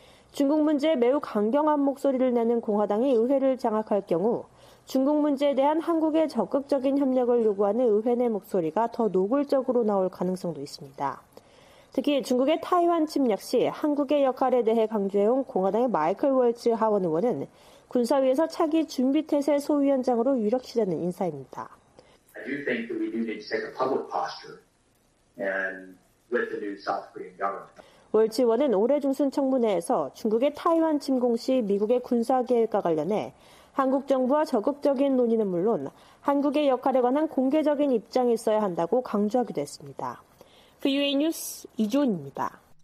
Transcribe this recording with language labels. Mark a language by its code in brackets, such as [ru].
[ko] 중국 문제에 매우 강경한 목소리를 내는 공화당이 의회를 장악할 경우 중국 문제에 대한 한국의 적극적인 협력을 요구하는 의회 내 목소리가 더 노골적으로 나올 가능성도 있습니다. 특히 중국의 타이완 침략 시 한국의 역할에 대해 강조해온 공화당의 마이클 월츠 하원 의원은 군사위에서 차기 준비태세 소위원장으로 유력시되는 인사입니다. [en] I do think that we do need to take a public posture and with the new South Korean government. [ko] 월츠 의원은 올해 중순 청문회에서 중국의 타이완 침공 시 미국의 군사 계획과 관련해 한국 정부와 적극적인 논의는 물론 한국의 역할에 관한 공개적인 입장이 있어야 한다고 강조하기도 했습니다. VOA 뉴스 이준입니다.